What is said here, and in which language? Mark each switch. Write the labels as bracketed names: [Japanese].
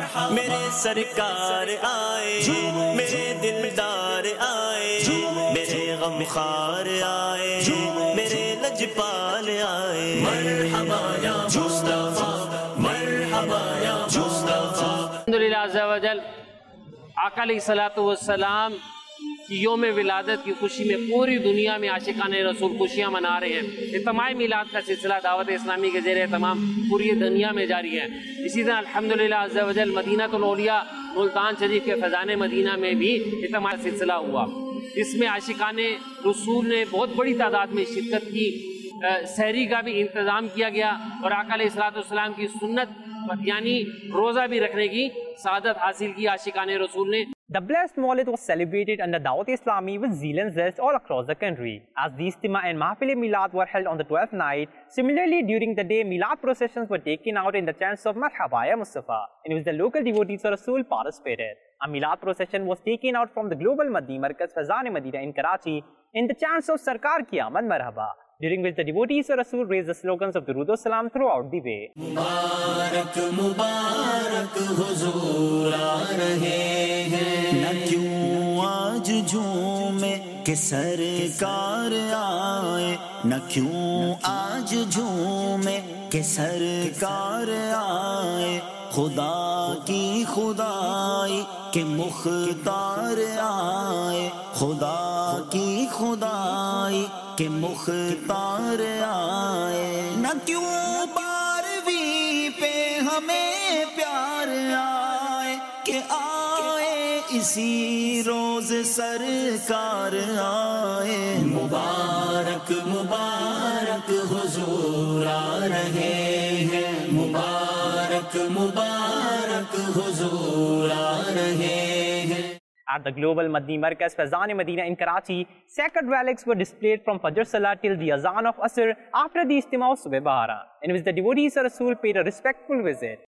[Urdu] میرے سرکار آئے، میرے دلدار آئے، میرے غم خار آئے، میرے لجپال آئے، مرحبا یا مصطفیٰ، مرحبا یا مصطفیٰ۔ الحمدللہ عزوجل آقا علیہ الصلوۃ والسلام یوم ولادت کی خوشی میں پوری دنیا میں عاشقان رسول خوشیاں منا رہے ہیں۔ اجتماع میلاد کا سلسلہ دعوت اسلامی کے زیر اہتمام پوری دنیا میں جاری ہے۔ اسی طرح الحمدللہ عزوجل مدینۃ الاولیاء ملتان شریف کے فیضان مدینہ میں بھی اجتماع سلسلہ ہوا، اس میں عاشقان رسول نے بہت بڑی تعداد میں شرکت کی، سحری کا بھی انتظام کیا گیا اور آقا علیہ الصلوۃ والسلام کی سنت یعنی روزہ بھی رکھنے کی سعادت حاصل کی عاشقان رسول نے۔ [English] The blessed Maulid was celebrated under Dawat Islami with zeal and zest all across the country. As the Istima and Mahfil Milad were held on the 12th night, similarly during the day Milad processions were taken out in the chants of Marhaba ya Mustafa, in which the local devotees of Rasul participated. A Milad procession was taken out from the Global Madni Markaz Fazan-e Madina in Karachi in the chants of Sarkar Ki Aamad Marhaba, during which the devotees of Rasul raised the slogans of Durood o Salam throughout the way. [Urdu] Mubarak, Mubarak, Huzur aa rahe hai, na kyun aaj jhoome ke sarkaar aaye, na kyun aaj jhoome ke sarkaar aaye, خدا کی خدائی کے مختار آئے، خدا کی خدائی کے مختار آئے، نہ کیوں باروی پہ ہمیں پیار آئے کہ آئے اسی روز سرکار آئے۔ مبارک مبارک حضور آ رہے ہیں، مبارک مبارک حضور آ رہے ہیں۔ [English] At the Global Madni Markaz Fazan Madina in Karachi, sacred relics were displayed from Fajr Salah till the Azan of Asr after the Ijtema of Subah Bahara, in which the devotees of Rasul paid a respectful visit.